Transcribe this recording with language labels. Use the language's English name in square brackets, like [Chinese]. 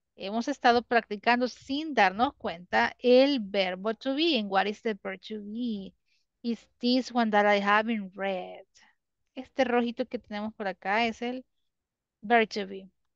[Spanish] Hemos estado practicando sin darnos cuenta el verbo to be. [English] And what is the verb to be? Is this one that I have in red. [Spanish] Este rojito que tenemos por acá es el verb to be.